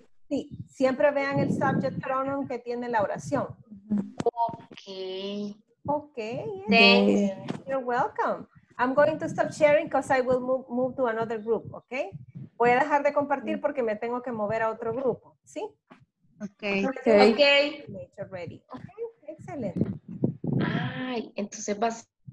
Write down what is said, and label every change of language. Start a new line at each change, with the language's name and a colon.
Spanish: Sí, siempre vean el subject pronoun que tiene la oración.
English: Okay. You're welcome. I'm going to stop sharing because I will move to another group, okay? Voy a dejar de compartir porque me tengo que mover a otro grupo, ¿sí? Okay. Nature ready. Okay, excellent.
Spanish: Ay, entonces vas.